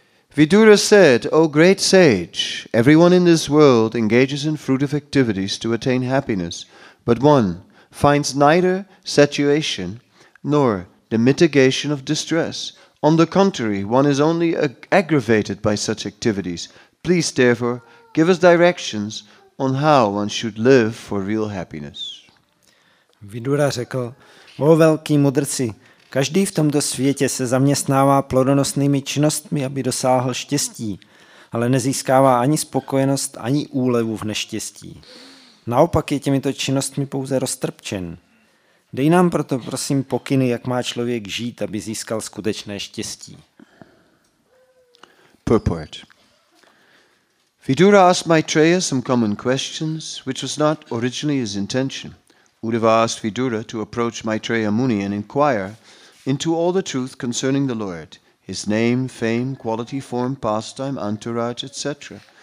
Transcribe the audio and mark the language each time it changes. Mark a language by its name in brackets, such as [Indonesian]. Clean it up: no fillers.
[English] Vidura said, O great sage, everyone in this world engages in fruitive activities to attain happiness, but one finds neither satiation nor the mitigation of distress. On the contrary, one is only aggravated by such activities. Please, therefore, give us directions on how one should live for real happiness. [Czech] Vidura řekl, O velký mudrci, každý v tomto světě se zaměstnává plodonosnými činnostmi, aby dosáhl štěstí, ale nezískává ani spokojenost, ani úlevu v neštěstí. Naopak je těmito činnostmi pouze roztrpčen. Dej nám proto, prosím, pokyny, jak má člověk žít, aby získal skutečné štěstí. [English] Purport. Vidura asked Maitreya some common questions, which was not originally his intention. Uddhava asked Vidura to approach Maitreya Muni and inquire into all the truth concerning the Lord, his name, fame, quality, form, pastime, entourage, etc.